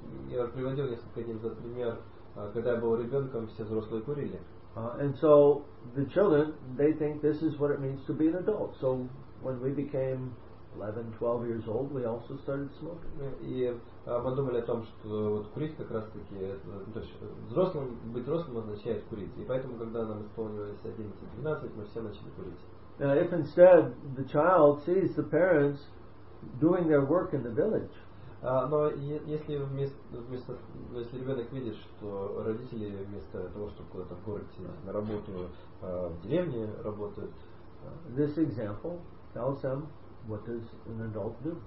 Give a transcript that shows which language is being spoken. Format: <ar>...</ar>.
<ru>Я приводил несколько дней назад пример. Когда я был ребенком, все взрослые курили.</ru> <en>And so the children, they think this is what it means to be an adult. So when we became 11, 12 years old, we also started smoking.</en> <ru>И мы думали о том, что вот курить как раз-таки, то есть взрослым, быть взрослым означает курить. И поэтому, когда нам исполнилось 11-12, мы все начали курить.</ru> <en>Now, if instead the child sees the parents doing their work in the village.</en> <ru>Но если если ребенок видит, что родители вместо того, чтобы куда-то в город на работу в деревне работают,</ru> <en>this example tells them what does an adult do.</en>